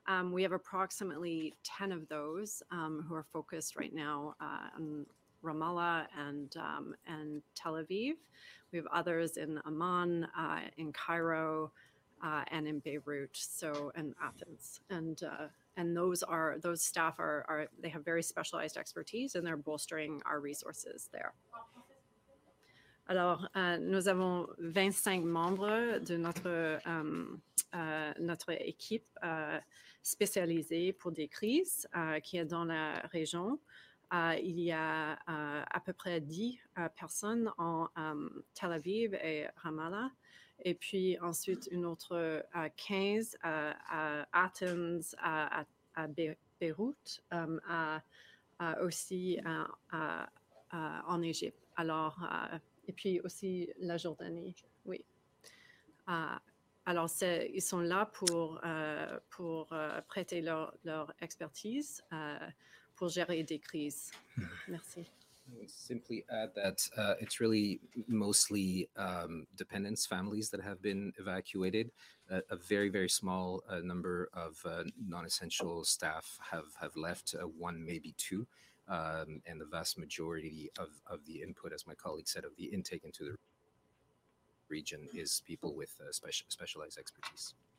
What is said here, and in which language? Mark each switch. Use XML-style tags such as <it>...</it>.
<en>We have approximately 10 of those who are focused right now on Ramallah and Tel Aviv. We have others in Amman, in Cairo, and in Beirut, so in Athens. And those staff they have very specialized expertise, and they're bolstering our resources there.</en> <fr>Alors, nous avons 25 membres de notre équipe spécialisée pour des crises qui est dans la région. Il y a à peu près 10 personnes en Tel Aviv et Ramallah, et puis ensuite une autre 15 à Athens, à Beyrouth, aussi en Égypte. Alors, et puis aussi la Jordanie, oui. Alors, ils sont là pour prêter leur expertise pour gérer des crises. Merci.</fr> <en>I would simply add that it's really mostly dependents, families that have been evacuated. A very, very small number of non-essential staff have left, one, maybe two, and the vast majority of the input, as my colleague said, of the intake into the region is people with specialized expertise.</en>